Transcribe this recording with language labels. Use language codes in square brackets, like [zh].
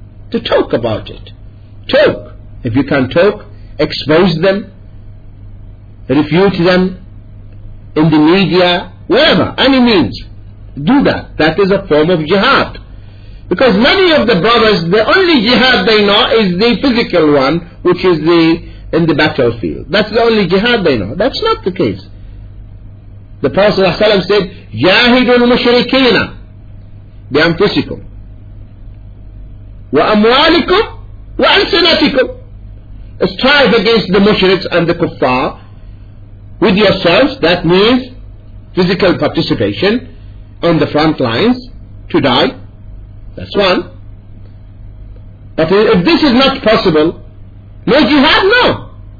[en] To talk about it. Talk. If you can talk, expose them, refute them in the media, wherever, any means. Do that. That is a form of jihad. Because many of the brothers, the only jihad they know is the physical one, which is in the battlefield. That's the only jihad they know. That's not the case. The Prophet ﷺ said, [ar] جاهدوا المشركين بأنفسكم وأموالكم وألسنتكم. [en] Strive against the mushriks and the kuffar with yourselves, that means physical participation on the front lines to die. That's one. But if this is not possible, no jihad, no.